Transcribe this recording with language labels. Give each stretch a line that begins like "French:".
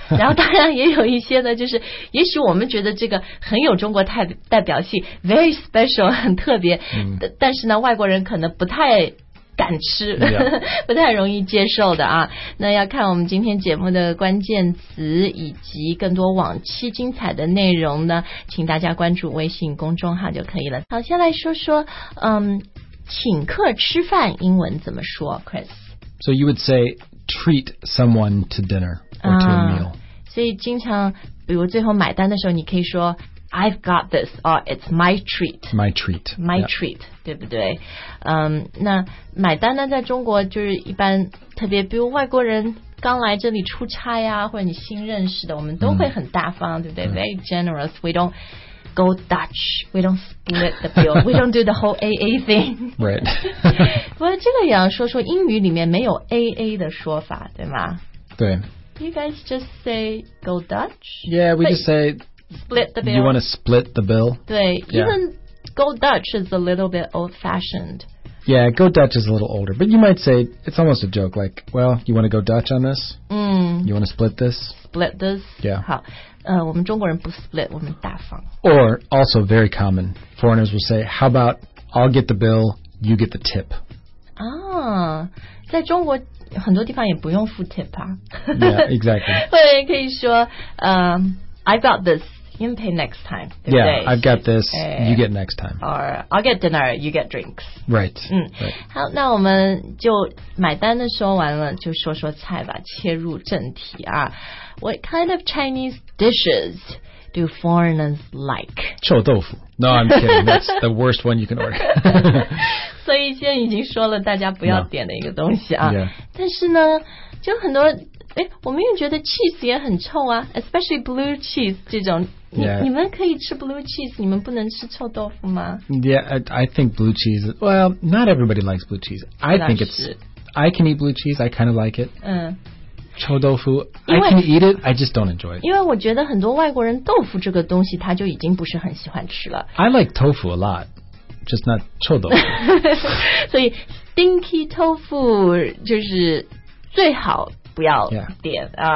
Chinese: 然后当然也有一些呢，就是也许我们觉得这个很有中国代表性，
English: very special，
Chinese: 很特别、但是呢外国人可能不太敢吃、不太容易接受的啊。那要看我们今天节目的关键词以及更多往期精彩的内容呢，请大家关注微信公众号就可以了。好，先来说说请客吃饭英文怎么说 Chris。
English: So you would say treat someone to dinner or to a meal、
Chinese: 所以经常比如最后买单的时候你可以说
English: I've got this, or it's my treat. My treat. My、yeah. treat,
Chinese: 对不对？那买单呢，在中国就是一般特别，比如外国人刚来这里出差呀、或者你新认识的，我们都会很大方、对不对、
English: Very generous. We don't go Dutch. We don't split the bill. We don't do the whole AA thing. Right.
Chinese: 不过这个也要说说英语里面没有 AA 的说法，对吗？对。
English: You guys just say go Dutch? Yeah, we just say... Split the bill. You want to split the bill? 对、even go Dutch is a little bit old-fashioned. Yeah, go Dutch is a little older. But you might say, it's almost a joke, like, well, you want to go Dutch on this?、You want to split this? Split this? Yeah.
Chinese: 好、我们中国人不 split, 我们大方。
English: Or, also very common, foreigners will say, how about I'll get the bill, you get the tip.
Chinese: 啊、在中国很多地方也不用付 tip 啊。
English: Yeah, exactly.
Chinese: 对，可以说、
English: I've got this, you can pay next time.
Chinese: 对不对?
English: Yeah, I've got this, you get next time. Or I'll get dinner, you get drinks. Right.、
Chinese: 好，那我们就买单的说完了，就说说菜吧，切入正题啊。
English: What kind of Chinese dishes do foreigners like?
Chinese: 臭豆腐。
English: No, I'm kidding, that's the worst one you can order.
Chinese: 所以现在已经说了大家不要点的一个东西啊。
English: Yeah.
Chinese: 但是呢，就很多我们也觉得 cheese 也很臭啊
English: especially blue cheese
Chinese: 这种 你们可以吃 blue cheese 你们不能吃臭豆腐吗
English: I think blue cheese well not everybody likes blue cheese I think it's I can eat blue cheese I kind of like it、臭豆腐 I can eat it I just don't enjoy it
Chinese: 因为我觉得很多外国人豆腐这个东西他就已经不是很喜欢吃了
English: I like tofu a lot just not 臭豆腐
Chinese: 所以 stinky 豆腐就是最好不要点、